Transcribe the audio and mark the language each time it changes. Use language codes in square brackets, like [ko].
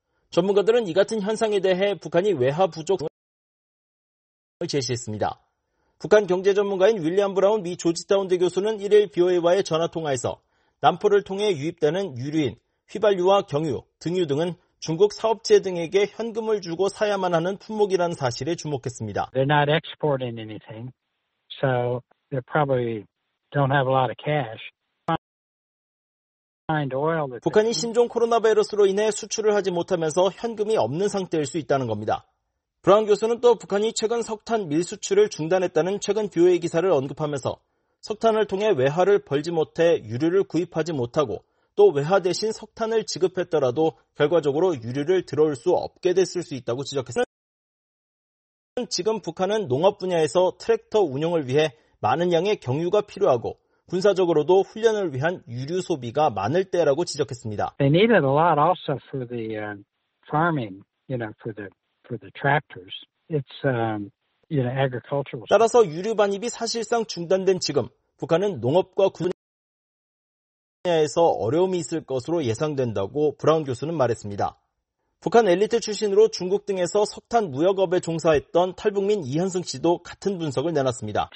[ko] 전문가들은 이 같은 현상에 대해 북한이 외화 부족을 제시했습니다. 북한 경제 전문가인 윌리엄 브라운 미 조지타운대 교수는 1일 BOA와의 전화통화에서 남포를 통해 유입되는 유류인 휘발유와 경유, 등유 등은 중국 사업체 등에게 현금을 주고 사야만 하는 품목이라는 사실에 주목했습니다. [en] They're not exporting anything, so they probably don't have a lot of cash. [ko] 북한이 신종 코로나 바이러스로 인해 수출을 하지 못하면서 현금이 없는 상태일 수 있다는 겁니다. 브라운 교수는 또 북한이 최근 석탄 밀 수출을 중단했다는 최근 BOA 기사를 언급하면서 석탄을 통해 외화를 벌지 못해 유류를 구입하지 못하고 또 외화 대신 석탄을 지급했더라도 결과적으로 유류를 들어올 수 없게 됐을 수 있다고 지적했습니다. 지금 북한은 농업 분야에서 트랙터 운영을 위해 많은 양의 경유가 필요하고 군사적으로도 훈련을 위한 유류 소비가 많을 때라고 지적했습니다. [en] They needed a lot also for the farming, you know, for the tractors. It's you know, agricultural. [ko] 따라서 유류 반입이 사실상 중단된 지금 북한은 농업과 군사에서 어려움이 있을 것으로 예상된다고 브라운 교수는 말했습니다. 북한 엘리트 출신으로 중국 등에서 석탄 무역업에 종사했던 탈북민 이현승 씨도 같은 분석을 내놨습니다.